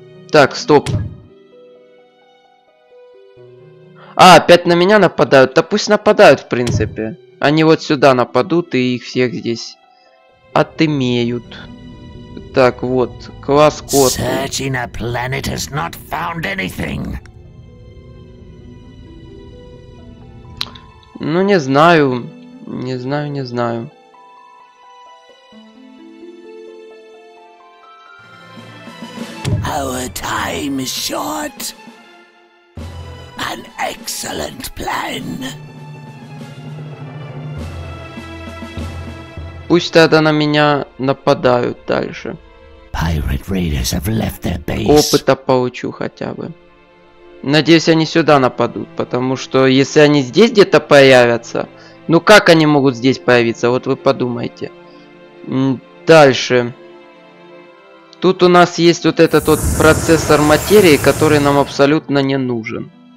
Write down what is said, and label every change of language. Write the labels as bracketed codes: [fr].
[ru] Так, стоп. А, опять на меня нападают. Да пусть нападают, в принципе. Они вот сюда нападут и их всех здесь отымеют. Так, вот. Класс Корту. [en] Searching a planet has not found anything. [ru] Ну, не знаю. Не знаю. [en] Our time is short. An excellent plan. [ru] Пусть тогда на меня нападают дальше. [en] Pirate raiders have left their base. [ru] Опыта получу хотя бы. Надеюсь, они сюда нападут, потому что если они здесь где-то появятся, ну как они могут здесь появиться? Вот вы подумайте. Дальше. Тут у нас есть вот этот вот процессор материи, который нам абсолютно не нужен.